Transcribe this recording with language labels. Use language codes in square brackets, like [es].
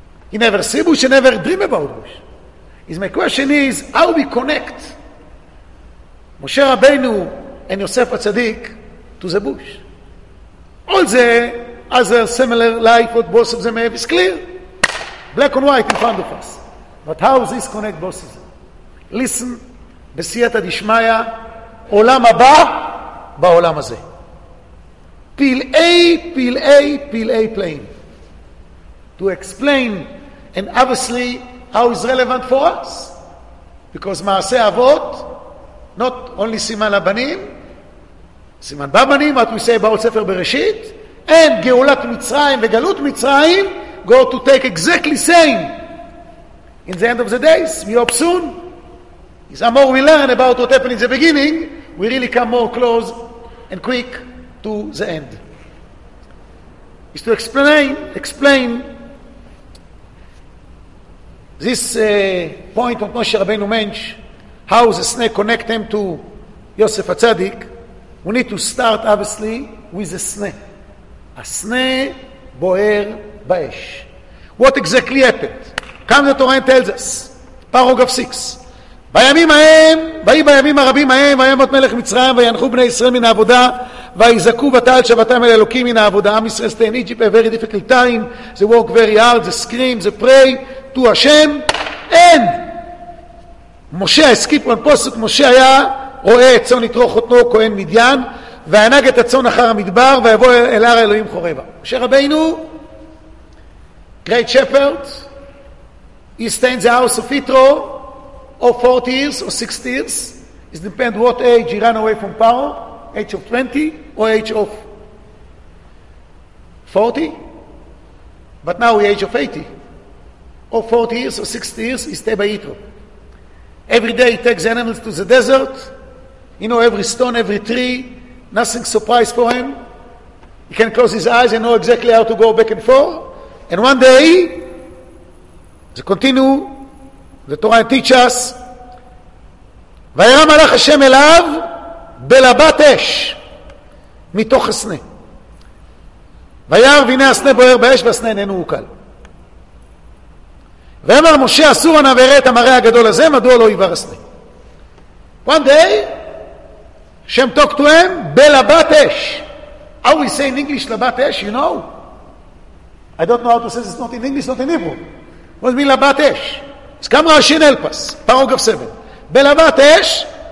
[en] He never see bush, he never dream about bush. My question is, how we connect Moshe Rabbeinu and Yosef HaTzadik to the bush? All the other similar life what both of them have is clear. Black and white in front of us. But how this connect both of them? Listen, [he] בסייעתא דשמיא, עולם הבא בעולם הזה. פלאי, פלאי, פלאי פלאים. [en] To explain, and obviously, how is relevant for us? Because מעשה אבות, not only [he] סימן לבנים, סימן בבנים, [en] what we say about ספר בראשית, and [he] גאולת מצרים וגלות מצרים, [en] go to take exactly same in the end of the days, we hope soon. The more we learn about what happened in the beginning, we really come more close and quick to the end. Is to explain this point of Moshe Rabbeinu Mensch, how the snake connect him to Yosef HaTzadik. We need to start obviously with the snake. A snake boer באש. What exactly happened? Come the Torah and tells us. Paragraph 6. [he] בימים ההם, ויהי בימים הרבים ההם, וימות מלך מצרים, וינחו בני ישראל מן העבודה, ויזעקו בתעל שבתם אל אלוקים מן העבודה. [en] עם ישראל stay in Egypt, a very difficult time. They work very hard, they scream, they pray to Hashem. [he] And משה, הסקיפ on פוסק, משה היה רואה את צאן יתרו חותנו, כהן מדיין, והנהג את הצאן אחר המדבר, ויבוא אל הר האלוהים חורבה. [en] משה רבינו, great shepherd, he stayed in the house of Yitro of 40 years or 60 years. It depends what age he ran away from Paro, age of 20 or age of 40. But now he's age of 80. Or 40 years or 60 years, he stayed by Yitro. Every day he takes animals to the desert. You know every stone, every tree. Nothing surprised for him. He can close his eyes and know exactly how to go back and forth. And one day, they continue, the Torah teach us, [he] וירא מלאך השם אליו בלבת אש מתוך הסנה. וירא והנה הסנה בוער באש והסנה איננו הוקל. ואמר משה, אסור אנה ואראה את המראה הגדול הזה, מדוע לא יבער הסנה. [en] One day, השם talk to him, בלבת אש. How we say in English, [he] לבת אש, [en] you know? I don't know how to say this, not in English, not in Hebrew. What does it mean, לבת אש? It's come Rashi and help us. Paragraph 7. בלבת אש,